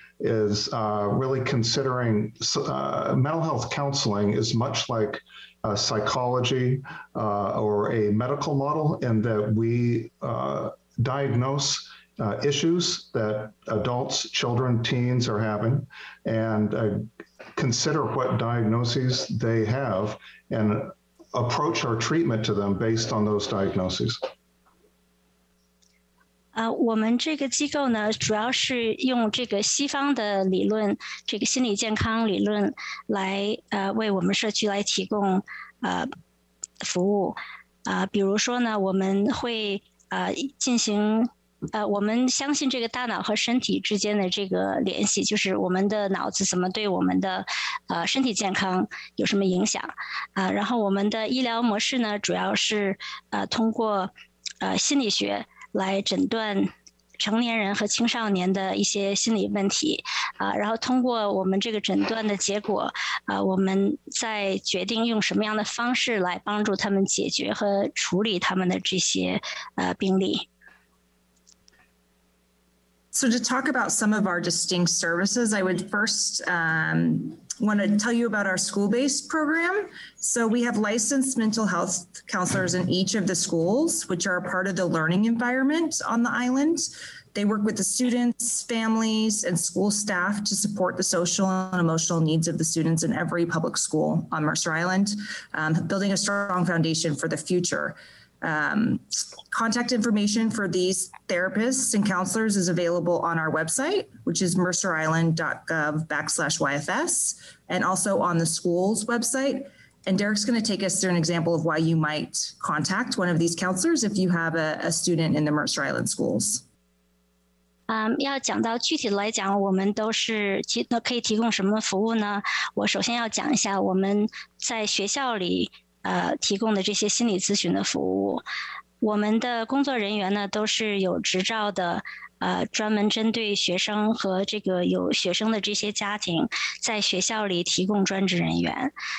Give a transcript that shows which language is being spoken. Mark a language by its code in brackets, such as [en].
[en] is really considering mental health counseling is much like psychology or a medical model in that we diagnose issues that adults, children, teens are having and consider what diagnoses they have and approach our treatment to them based on those diagnoses. [zh] 我们这个机构呢，主要是用这个西方的理论，这个心理健康理论来为我们社区来提供服务。比如说呢，我们会进行我们相信这个大脑和身体之间的这个联系，就是我们的脑子怎么对我们的身体健康有什么影响然后我们的医疗模式呢，主要是通过心理学来诊断成年人和青少年的一些心理问题然后通过我们这个诊断的结果我们再决定用什么样的方式来帮助他们解决和处理他们的这些病例。 [en] So to talk about some of our distinct services, I would first want to tell you about our school-based program. So we have licensed mental health counselors in each of the schools, which are part of the learning environment on the island. They work with the students, families, and school staff to support the social and emotional needs of the students in every public school on Mercer Island, building a strong foundation for the future. Contact information for these therapists and counselors is available on our website, which is mercerisland.gov/YFS, and also on the school's website. And Derek's going to take us through an example of why you might contact one of these counselors if you have a student in the Mercer Island schools. [zh] 要讲到具体来讲，我们都是可以提供什么服务呢？我首先要讲一下我们在学校里提供的这些心理咨询的服务。我们的工作人员呢都是有执照的专门针对学生和这个有学生的这些家庭在学校里提供专职人员。